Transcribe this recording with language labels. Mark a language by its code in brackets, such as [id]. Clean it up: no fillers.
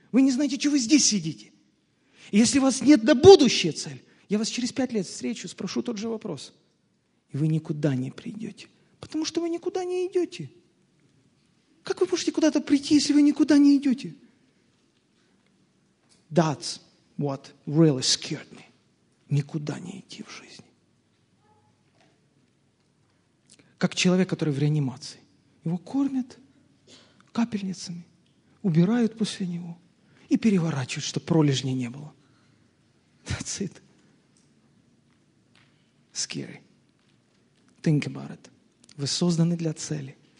[ru] Вы не знаете, чего вы здесь сидите. И если у вас нет на будущее цель, я вас через 5 лет встречу, спрошу тот же вопрос. И вы никуда не придете. Потому что вы никуда не идете. Как вы можете куда-то прийти, если вы никуда не идете? [en] That's what really scared me. [ru] Никуда не идти в жизни. Как человек, который в реанимации. Его кормят капельницами, убирают после него и переворачивают, чтобы пролежней не было. [en] That's it. Scary. Think about it. [ru] Вы созданы для цели.